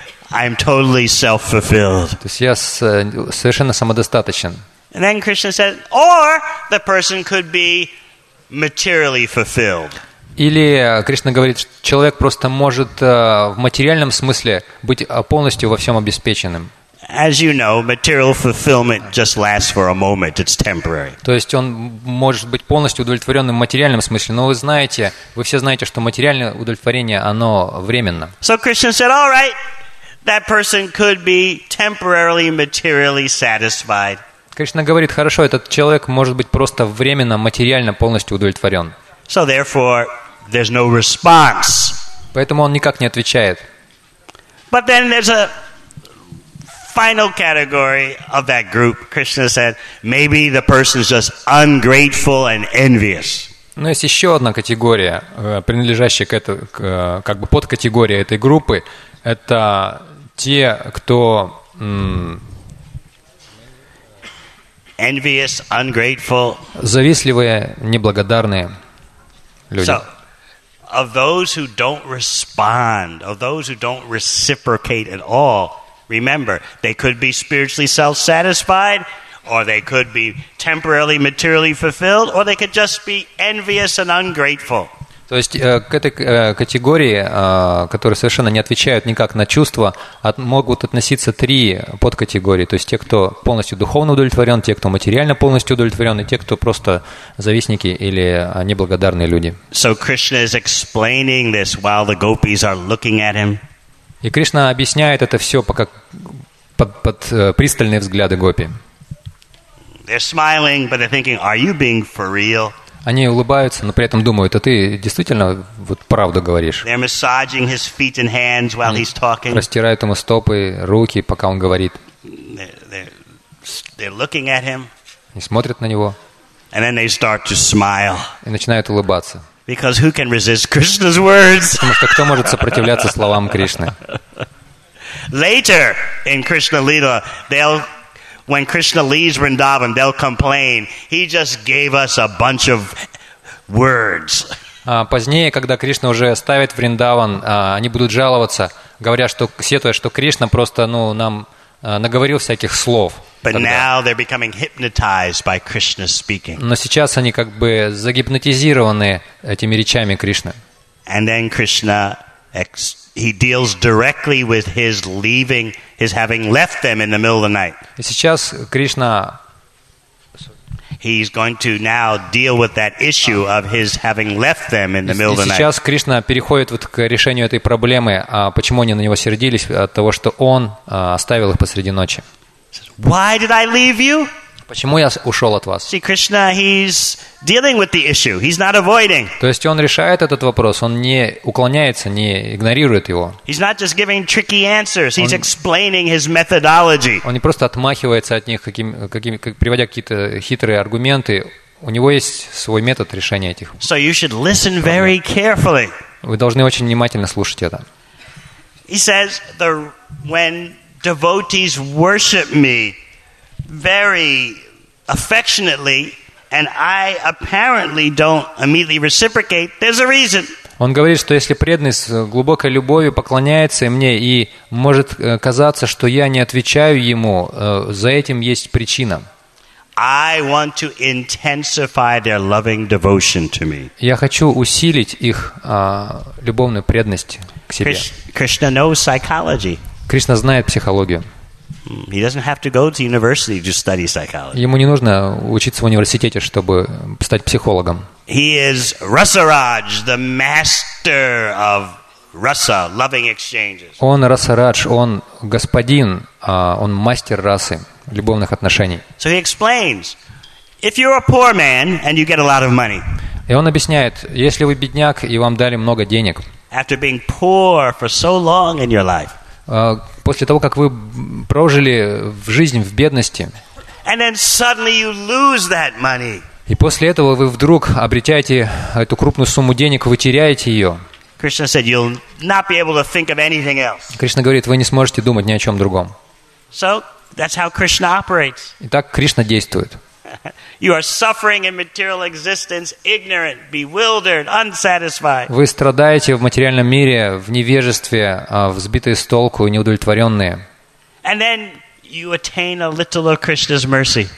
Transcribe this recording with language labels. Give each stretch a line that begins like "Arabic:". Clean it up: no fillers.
English: I'm totally self-fulfilled.
Russian: То есть я совершенно самодостаточен.
English: And then Krishna says, or the person could be materially fulfilled.
Russian: Или Кришна говорит, что человек просто может в материальном смысле быть полностью во всем обеспеченным.
English: As you know, material fulfillment just lasts for a moment. It's temporary.
Russian: То есть он может быть полностью удовлетворенным в материальном смысле, но вы все знаете, что материальное удовлетворение оно временно.
English: So Krishna said, all right, that person could be temporarily materially satisfied.
Russian: Кришна говорит, хорошо, этот человек может быть просто временно материально полностью удовлетворен.
English: So therefore, there's no response.
Russian: Поэтому он никак не отвечает.
English: But then there's a final category of that group. Krishna said, maybe the person is just ungrateful and envious.
Russian: Но есть еще одна категория, принадлежащая к этой, как бы подкатегория этой группы, это те, кто
English: envious, ungrateful,
Russian: завистливые, неблагодарные люди.
English: So, of those who don't respond, of those who don't reciprocate at all, remember, they could be spiritually self-satisfied, or they could be temporarily, materially fulfilled, or they could just be envious and ungrateful.
Russian: То есть к этой категории, которые совершенно не отвечают никак на чувства, могут относиться три подкатегории. То есть те, кто полностью духовно удовлетворен, те, кто материально полностью удовлетворен, и те, кто просто завистники или неблагодарные люди.
English: So Krishna is explaining this while the gopis are looking at him.
Russian: И Кришна объясняет это все пока под пристальные взгляды гопи.
English: They're smiling, but they're thinking, are you being for real?
Russian: Они улыбаются, но при этом думают, а ты действительно вот правду говоришь?
English: They're massaging his feet and hands while he's talking.
Russian: Растирают ему стопы, руки, пока он говорит.
English: They're looking at him.
Russian: И смотрят на него.
English: And then they start to smile.
Russian: И начинают улыбаться.
English: Because who can resist Krishna's words?
Russian: Потому что кто может сопротивляться словам Кришны?
English: Later in Krishna Lila, when Krishna leaves Vrindavan, they'll complain. He just gave us a bunch of words.
Russian: Позднее, когда Кришна уже оставит Вриндаван, они будут жаловаться, говоря, что сетуя, что Кришна просто, ну, нам наговорил всяких слов.
English: But now they're becoming hypnotized by Krishna's speaking.
Russian: Но сейчас они как бы загипнотизированы этими речами Кришны.
English: And then Krishna, he deals directly with his leaving, his having left them in the middle of the night.
Russian: И сейчас Кришна,
English: he's going to now deal with that issue of his having left them in the middle of the night.
Russian: Сейчас Кришна переходит вот к решению этой проблемы, а почему они на него сердились от того, что он оставил их посреди ночи.
English: Why did I leave you?
Russian: Почему я ушел от вас?
English: See, Krishna, he's dealing with the issue. He's not avoiding.
Russian: То есть он решает этот вопрос, он не уклоняется, не игнорирует его.
English: He's not just giving tricky answers. He's explaining his methodology.
Russian: Он не просто отмахивается от них, приводя какие-то хитрые аргументы. У него есть свой метод решения этих.
English: So you should listen very carefully.
Russian: Вы должны очень внимательно слушать это.
English: He says when devotees worship me very affectionately, and I apparently don't immediately reciprocate, there's a reason.
Russian: Он говорит, что если преданный с глубокой любовью поклоняется мне, и может казаться, что я не отвечаю ему, за этим есть причина.
English: I want to intensify their loving devotion to me.
Russian: Я хочу усилить их любовную преданность к себе.
English: Krishna knows psychology.
Russian: Кришна знает психологию.
English: He doesn't have to go to university to study psychology.
Russian: Ему не нужно учиться в университете, чтобы стать психологом.
English: He is Rasaraj, the master of rasa, loving exchanges.
Russian: Он Расарадж, он господин, он мастер расы, любовных отношений.
English: So he explains, if you're a poor man and you get a lot of money.
Russian: И он объясняет, если вы бедняк и вам дали много денег.
English: After being poor for so long in your life.
Russian: После того, как вы прожили в жизнь в бедности,
English: And then suddenly you lose that money.
Russian: И после этого вы вдруг обретаете эту крупную сумму денег, вы теряете ее.
English: Krishna said, "You'll not be able to think of anything else."
Russian: Кришна говорит, вы не сможете думать ни о чем другом.
English: So that's how Krishna operates.
Russian: Итак, Кришна действует.
English: You are suffering in material existence, ignorant, bewildered, unsatisfied.
Russian: Вы страдаете в материальном мире в невежестве, взбитые с толку, неудовлетворенные.
English: And then you attain a little of Krishna's mercy.